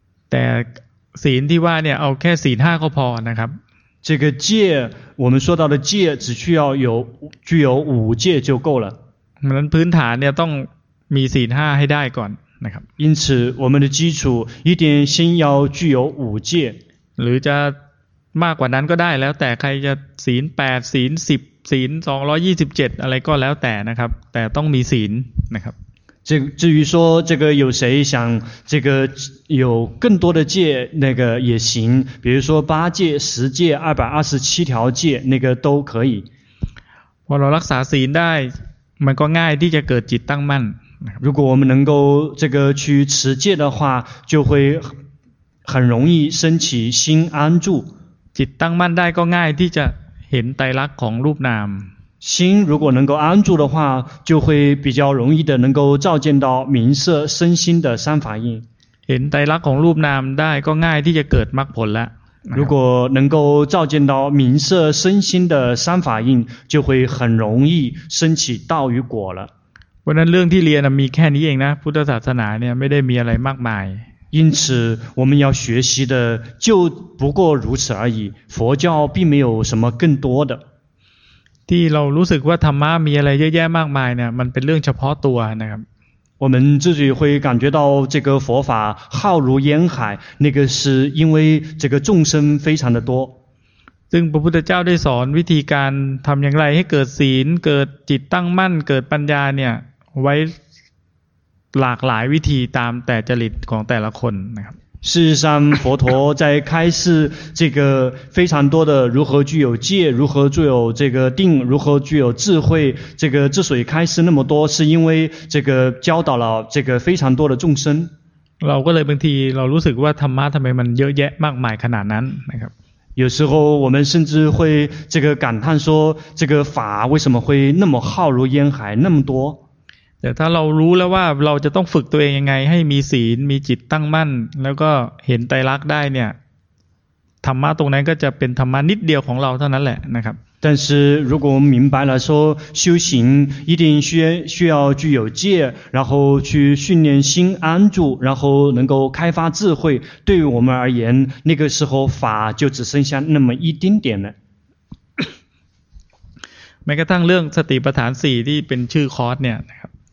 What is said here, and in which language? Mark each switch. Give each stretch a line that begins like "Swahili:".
Thai: แต่ศีลที่ว่าเนี่ยเอาแค่ศีล5ก็พอนะครับ
Chinese: 这个戒我们说到的戒只需要有具有五戒就够了
Thai: มันพื้นฐานเนี่ยต้องมีศีล5ให้ได้ก่อนนะครับ
Chinese: 因此我们的基础一定先要具有五戒
Thai: หรือจะมากกว่านั้นก็ได้แล้วแต่ใครจะศีล8ศีล10ศีล227อะไรก็แล้วแต่นะครับแต่ต้องมีศีลนะครับ
Chinese: 至于说这个有谁想这个有更多的戒那个也行比如说八戒十戒227条戒那个都可以
Thai: พอเรารักษาศีลได้มันก็ง่ายที่จะเกิดจิตตั้งมั่น
Chinese: 如果我们能够这个去持戒的话就会很容易升起心安住
Thai: จิตตั้งมั่นได้ก็ง่ายที่จะเห็นไตรลักษณ์ของรูปนาม
Chinese: 心如果能够安住的话就会比较容易的能够照见到明色身心的三法印
Thai: เห็นไตรลักษณ์ของรูปนามได้ก็ง่ายที่จะเกิดมรรคผลแล้ว
Chinese: 如果能够照见到明色身心的三法印就会很容易升起道与果了
Thai: วันนั้นเรื่องที่เรียนมีแค่นี้เองนะพุทธศาสนาเนี่ยไม่ได้มีอะไรมากมาย
Chinese: 因此我们要学习的就不过如此而已佛教并没有什么更多的
Thai: ที่เรารู้สึกว่าธรรมะมีอะไรเยอะแยะมากมายเนี่ยมันเป็นเรื่องเฉพาะตัวนะครับ
Chinese: 我们自己会感觉到这个佛法浩如烟海，那个是因为这个众生非常的多。
Thai: ซึ่งพระพุทธเจ้าได้สอนวิธีการทำอย่างไรให้เกิดศีลเกิดจิตตั้งมั่นเกิดปัญญาเนี่ยไว้หลากหลายวิธีตามแต่จริตของแต่ละคนนะครับ
Chinese: 事实上佛陀在开示这个非常多的如何具有戒如何具有这个定如何具有智慧这个之所以开示那么多是因为这个教导了这个非常多的众生
Thai: เราก็เลยบางทีเรารู้สึกว่าธรรมะทำไมมันเยอะแยะมากมายขนาดนั้นนะครับ
Chinese: 有时候我们甚至会这个感叹说这个法为什么会那么浩如烟海那么多
Thai: แต่ถ้าเรารู้แล้วว่าเราจะต้องฝึกตัวเองยังไงให้มีศีลมีจิตตั้งมั่นแล้วก็เห็นไตรลักษณ์ได้เนี่ยธรรมะตรงนั้นก็จะเป็นธรรมะนิดเดียวของเราเท่านั้นแหละนะครับ
Chinese: 但是如果我们明白了说修行一定需要具有戒然后去训练心安住然后能够开发智慧对于我们而言那个时候法就只剩下那么一丁点了
Thai: แม้กระทั่งเรื่องสติปัฏฐาน4ที่เป็นชื่อคอร์สเนี่ยนะครับ